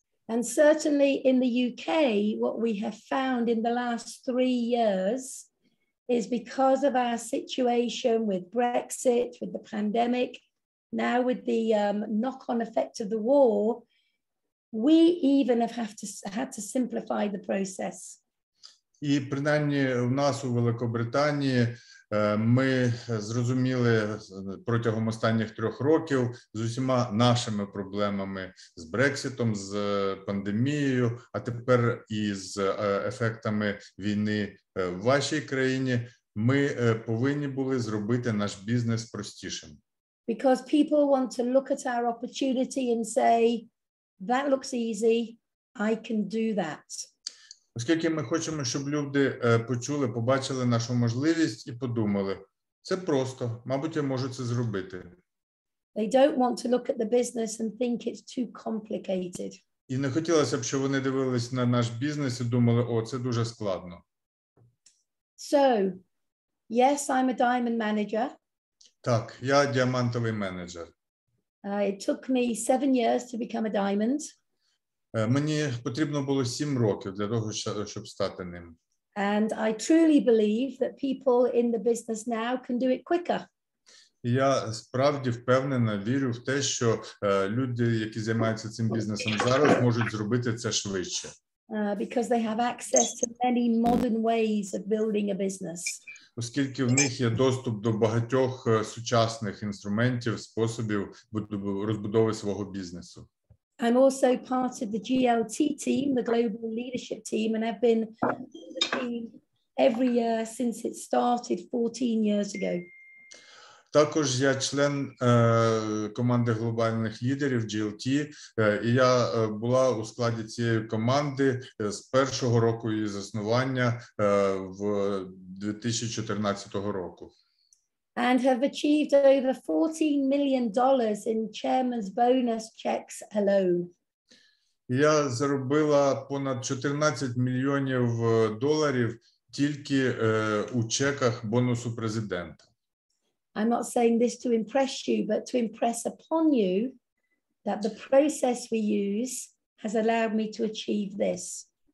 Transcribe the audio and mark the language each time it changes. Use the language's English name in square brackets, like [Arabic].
[English] And certainly in the UK, what we have found in the last 3 years is because of our situation with Brexit, with the pandemic, now with the knock-on effect of the war, we even have had to simplify the process. [Ukrainian] І принаймні у нас у Великобританії ми зрозуміли протягом останніх 3 років з усіма нашими проблемами з Брекситом, з пандемією, а тепер і з ефектами війни в вашій країні, ми повинні були зробити наш бізнес простішим. [English] Because people want to look at our opportunity and say, that looks easy, I can do that. [Ukrainian] Оскільки ми хочемо, щоб люди почули, побачили нашу можливість і подумали, це просто, мабуть, я можу це зробити. [English] They don't want to look at the business and think it's too complicated. [Ukrainian] І не хотілося б, щоб вони дивились на наш бізнес і думали: "О, це дуже складно". [English] So, yes, I'm a diamond manager. [Ukrainian] Так, я діамантовий менеджер. [English] It took me 7 years to become a diamond. [Ukrainian] Мені потрібно було 7 років для того, щоб стати ним. [English] And I truly believe that people in the business now can do it quicker. [Ukrainian] Я справді впевнена, вірю в те, що люди, які займаються цим бізнесом зараз, можуть зробити це швидше. [English] Because they have access to many modern ways of building a business. [Ukrainian] Оскільки в них є доступ до багатьох сучасних інструментів, способів розбудови свого бізнесу. [English] I'm also part of the GLT team, the global leadership team, and I've been with the team every year since it started 14 years ago. [Ukrainian] Також я член команди глобальних лідерів GLT, і я була у складі цієї команди з першого року її заснування в 2014 року. [English] And have achieved over $14 million in chairman's bonus checks alone. [Ukrainian] Я заробила понад 14 мільйонів доларів тільки у чеках бонусу президента. [English] I'm not saying this to impress you, but to impress upon you that the process we use has allowed me to achieve this.